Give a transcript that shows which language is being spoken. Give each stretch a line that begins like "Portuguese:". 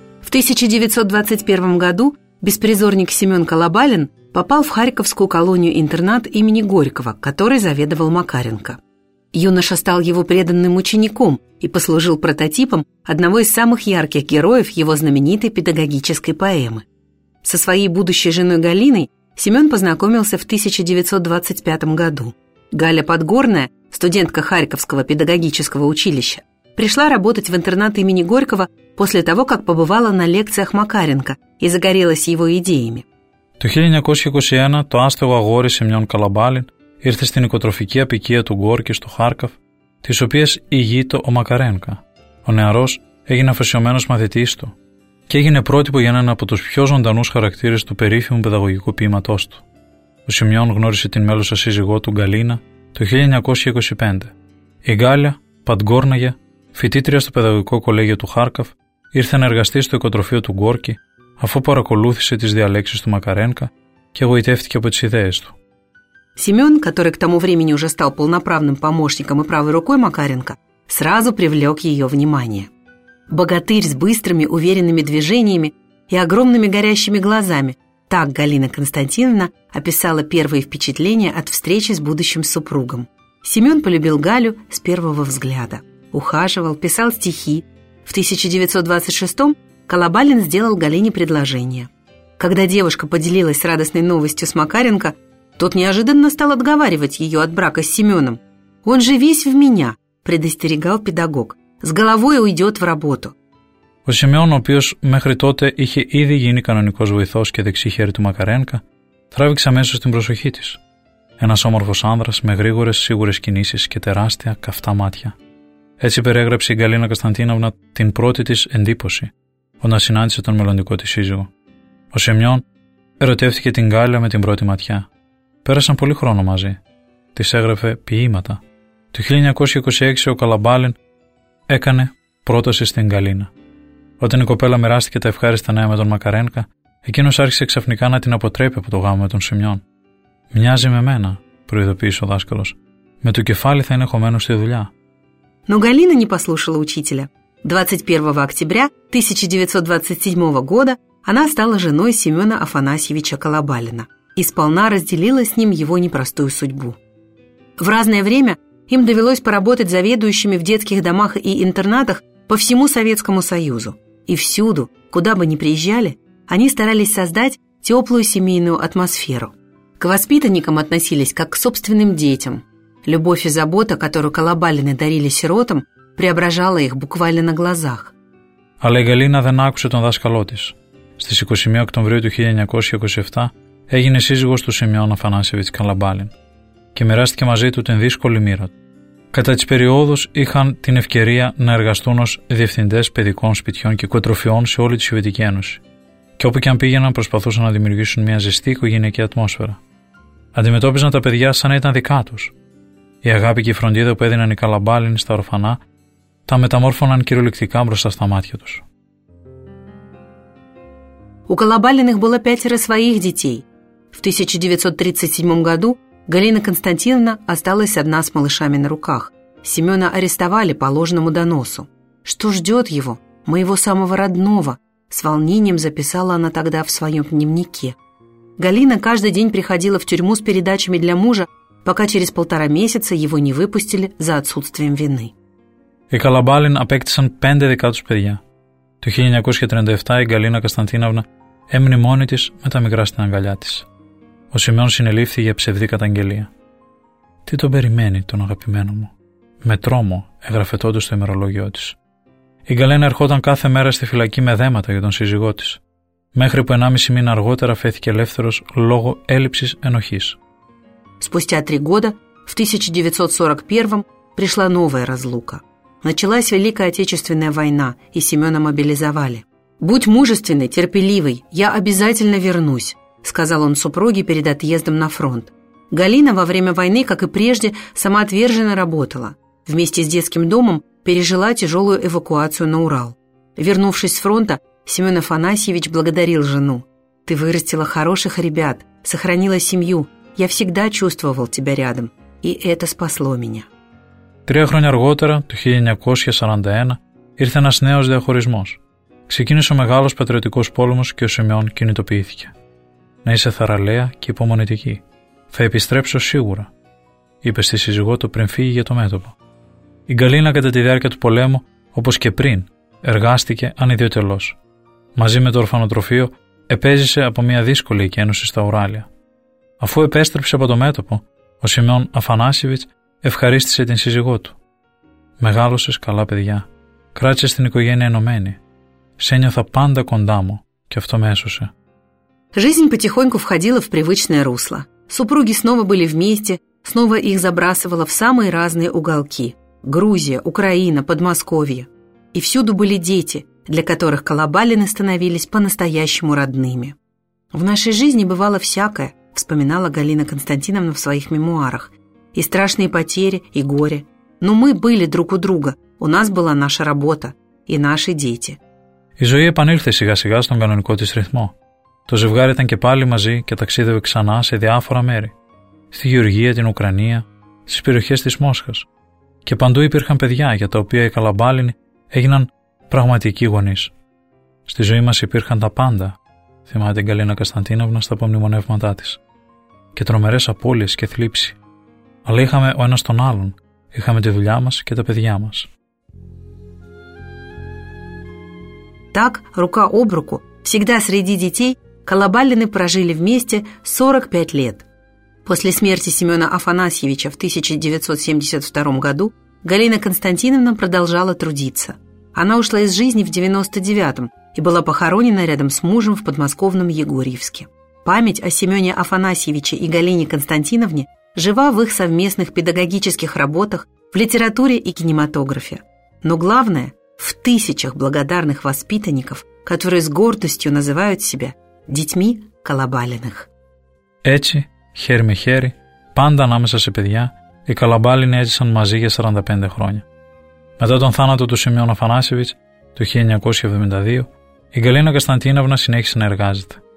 Russian: В 1921 году беспризорник Семен Колобалин попал в Харьковскую колонию-интернат имени Горького, который заведовал Макаренко. Юноша стал его преданным учеником и послужил прототипом одного из самых ярких героев его знаменитой педагогической поэмы. Со своей будущей женой Галиной Семен познакомился в 1925 году. Галя Подгорная, студентка Харьковского педагогического училища, пришла работать в интернат имени Горького после того, как побывала на лекциях Макаренко и загорелась его идеями.
Greek: Το 1921 το άστεγο αγόρι Σημειών Καλαμπάλιν ήρθε στην οικοτροφική απικία του Γκόρκη στο Χάρκοφ, της οποίας ηγείται ο Μακαρένκα. Ο νεαρός έγινε αφοσιωμένος μαθητής του και έγινε πρότυπο για έναν από τους πιο ζωντανούς χαρακτήρες του περίφημου παιδαγωγικού ποίηματός του. Ο Σημειών γνώρισε την μέλουσα σύζυγό του Γκαλίνα το 1925. Η Γκάλια Παντγκόρναγε, φοιτήτρια στο παιδαγωγικό κολέγιο του Χάρκοφ, ήρθε να εργαστεί στο οικοτροφείο του Γκόρκη, αφού παρακολούθησε τις διαλέξεις του Μακαρένκα και εγωιτεύτηκε από τις ιδέες του.
Russian: Семен, который к тому времени уже стал полноправным помощником и правой рукой Макаренко, сразу привлек ее внимание. Богатырь с быстрыми, уверенными движениями и огромными горящими глазами, так Галина Константиновна описала первые впечатления от встречи с будущим супругом. Семен полюбил Галю с первого взгляда, ухаживал, писал стихи. В 1926-м Колобалин сделал Галине предложение. Когда девушка поделилась радостной новостью с Макаренко, тот неожиданно стал отговаривать ее от брака с Семеном. «Он же весь в меня», – предостерегал педагог. «С головой уйдет в работу».
Greek: Ο Семен, ο οποίος μέχρι τότε είχε ήδη γίνει κανονικός βοηθός και δεξί χέρι του Μακαρένκα, τράβηξε αμέσως την προσοχή της. Ένας όμορφος άνδρας με γρήγορες σίγουρες κινήσεις και τεράστια καυτά μάτια. Έτσι περιέγραψε η Γκαλίνα Κωνσταντίνοβνα την πρώτη της εντύπωση, όταν συνάντησε τον μελλοντικό της σύζυγο. Ο Σεμιόν ερωτεύτηκε την Γκάλια με την πρώτη ματιά. Πέρασαν πολύ χρόνο μαζί. Της έγραφε ποιήματα. Το 1926 ο Καλαμπάλιν έκανε πρόταση στην Γκαλίνα. Όταν η κοπέλα μοιράστηκε τα ευχάριστα νέα με τον Μακαρένκα, εκείνος άρχισε ξαφνικά να την αποτρέπει από το γάμο με τον Σεμιόν. «Μοιάζει με μένα», προειδοποίησε ο δάσκαλος. «Με το κεφάλι θα είναι χωμένο στη δουλειά».
Russian: Но Галина не послушала учителя. 21 октября 1927 года она стала женой Семена Афанасьевича Колобалина и сполна разделила с ним его непростую судьбу. В разное время им довелось поработать заведующими в детских домах и интернатах по всему Советскому Союзу. И всюду, куда бы ни приезжали, они старались создать теплую семейную атмосферу. К воспитанникам относились как к собственным детям. Любовь и забота, которую Колобалины дарили сиротам, преображала их буквально на глазах.
Greek: Але Галина δεν άκουσε τον δάσκαλό της. Στις 21 Οκτωβρίου του 1927 έγινε σύζυγος του Σημεών Αφανάσεβιτς Καλαμπάλιν και μοιράστηκε μαζί του την δύσκολη μοίρα του. Κατά τις περιόδους είχαν την ευκαιρία να εργαστούν ως διευθυντές παιδικών σπιτιών και οικοτροφιών σε όλη τη Σοβιετική Ένωση. Και όπου και αν πήγαιναν, προσπαθούσαν να δημιουργήσουν μια ζεστή οικογενειακή ατμόσφαιρα. Αντιμετώπιζαν τα παιδιά σαν να ήταν δικά τους. Η αγάπη και η φροντίδα που έδιναν οι Καλαμπάλιν στα ορφανά τα μεταμόρφωναν κυριολεκτικά μπροστά στα μάτια τους.
Russian: У Колобалиных было пятеро своих детей. В 1937 году Галина Константиновна осталась одна с малышами на руках. Семена арестовали по ложному доносу. «Что ждет его? Моего самого родного!» С волнением записала она тогда в своем дневнике. Галина каждый день приходила в тюрьму с передачами для мужа, пока через полтора месяца его не выпустили за отсутствием вины.
Greek: Οι Καλαμπάλιν απέκτησαν πέντε δικά τους παιδιά. Το 1937 η Γκαλίνα Κωνσταντίναυνα έμεινε μόνη της με τα μικρά στην αγκαλιά της. Ο Σημεών συνελήφθη για ψευδή καταγγελία. «Τι τον περιμένει τον αγαπημένο μου? Με τρόμο», έγραφε τότε στο ημερολόγιο της. Η Γκαλίνα ερχόταν κάθε μέρα στη φυλακή με δέματα για τον σύζυγό της. Μέχρι που 1,5 μήνα αργότερα φέθηκε ελεύθερος λόγω έλλειψης ενοχής.
Russian: Спустя 3 года, в 1941, пришла новая разлука. Началась Великая Отечественная война, и Семена мобилизовали. «Будь мужественный, терпеливый, я обязательно вернусь», сказал он супруге перед отъездом на фронт. Галина во время войны, как и прежде, самоотверженно работала. Вместе с детским домом пережила тяжелую эвакуацию на Урал. Вернувшись с фронта, Семен Афанасьевич благодарил жену. «Ты вырастила хороших ребят, сохранила семью. Я всегда чувствовал тебя рядом, и это спасло меня».
Greek: 3 χρόνια αργότερα, το 1941, ήρθε ένας νέος διαχωρισμός. Ξεκίνησε ο μεγάλος πατριωτικός πόλεμος και ο Σημεών κινητοποιήθηκε. «Να είσαι θαραλέα και υπομονετική. Θα επιστρέψω σίγουρα», είπε στη σύζυγό του πριν φύγει για το μέτωπο. Η Γκαλίνα κατά τη διάρκεια του πολέμου, όπως και πριν, εργάστηκε ανιδιωτελώς. Μαζί με το ορφανοτροφείο, επέζησε από μια δύσκολη εκένωση στα Ουράλια. Αφού επέστρεψε από το μέτωπο, ο Σημεών Αφανάσιβιτς ευχαρίστησε την σύζυγό του. «Μεγάλωσες καλά παιδιά. Κράτησες την οικογένεια ενωμένη. Σε ένιωθα πάντα κοντά μου και αυτό με έσωσε».
Russian: Жизнь потихоньку входила в привычное русло. Супруги снова были вместе, снова их забрасывало в самые разные уголки. Грузия, Украина, Подмосковье. И всюду были дети, для которых Колобалины становились по-настоящему родными. «В нашей жизни бывало всякое», вспоминала Галина Константиновна в своих мемуарах. «И страшные потери, и горе. Но мы были друг у друга. У нас была наша работа и наши дети».
Greek: Η ζωή επανήλθε σιγά-σιγά στον κανονικό της ρυθμό. Το ζευγάρι ήταν και πάλι μαζί και ταξίδευε ξανά σε διάφορα μέρη. Στη Γεωργία, την Ουκρανία, στις περιοχές της Μόσχας. Και παντού υπήρχαν παιδιά για τα οποία οι Καλαμπάλινοι έγιναν πραγματικοί γονείς. «Στη ζωή μας υπήρχαν τα πάντα», θυμάται την Γκαλίνα Κωνσταντίνοβνα στα απομνημονεύματά της. «Και τρομερές απώλειες και θλίψη. Αλλά είχαμε ο ένας τον άλλον. Είχαμε τη δουλειά μας και τα παιδιά μας».
Russian: Так, рука об руку, всегда среди детей, Колобалины прожили вместе 45 лет. После смерти Семена Афанасьевича в 1972 году Галина Константиновна продолжала трудиться. Она ушла из жизни в 99-м и была похоронена рядом с мужем в подмосковном Егорьевске. Память о Семене Афанасьевиче и Галине Константиновне жива в их совместных педагогических работах, в литературе и кинематографе. Но главное – в тысячах благодарных воспитанников, которые с гордостью называют себя детьми Колобалиных.
Greek: Έτσι, χέρι με χέρι, πάντα ανάμεσα σε παιδιά, οι Καλαμπάλινοι έζησαν μαζί για 45 χρόνια. Μετά τον θάνατο του Σημεών Αφανάσιβιτς, το 1972, η Γκαλίνα Κωνσταντίνοβνα συνέχισε να εργάζεται.